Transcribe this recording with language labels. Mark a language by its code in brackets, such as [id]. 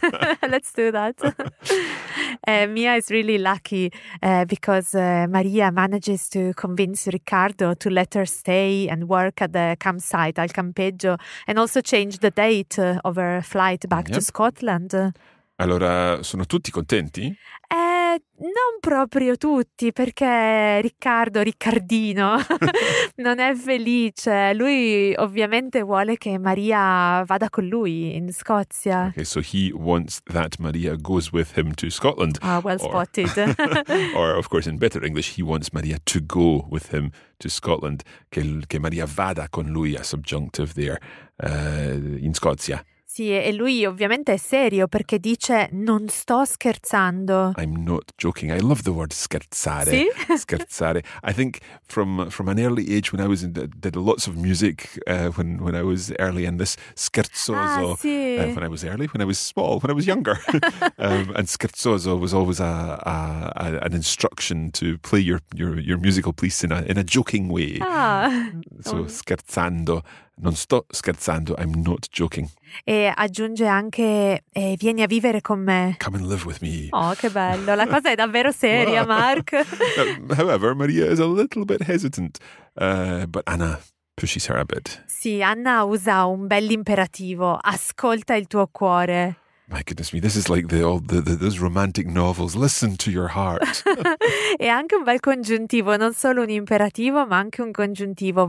[en] them. Yeah. Let's do that. Mia is really lucky because Maria manages to convince Riccardo to let her stay and work at the campsite, [it] al campeggio, [en] and also change the date of her flight back yep. to Scotland. [it] Allora, sono tutti contenti? Non proprio tutti, perché Riccardino, non è felice. Lui ovviamente vuole che Maria vada con lui in Scozia. [en] Okay, so he wants that Maria goes with him to Scotland. Ah, well spotted. Or, of course, in better English, he wants Maria to go with him to Scotland. [it] Che Maria vada con lui, [en] a subjunctive there, [it] in Scozia. Sì, e lui ovviamente è serio perché dice non sto scherzando. [en] I'm not joking. I love the word scherzare. [it] Sì? Scherzare. [en] I think from an early age when I was in did lots of music when I was early in this scherzoso. [it] Ah, sì. [en] When I was early, when I was small, when I was younger. and scherzoso was always an instruction to play your musical piece in a joking way. Ah. [it] So scherzando. Non sto scherzando, [en] I'm not joking. [it] E aggiunge anche, vieni a vivere con me. [en] Come and live with me. [it] Oh, che bello, la cosa è davvero seria, Mark. [en] However, Maria is a little bit hesitant, but Anna pushes her a bit. [it] Sì, Anna usa un bell'imperativo, ascolta il tuo cuore. [en] My goodness me, this is like those romantic novels. Listen to your heart. [it] E anche un bel congiuntivo, non solo un imperativo, ma anche un congiuntivo.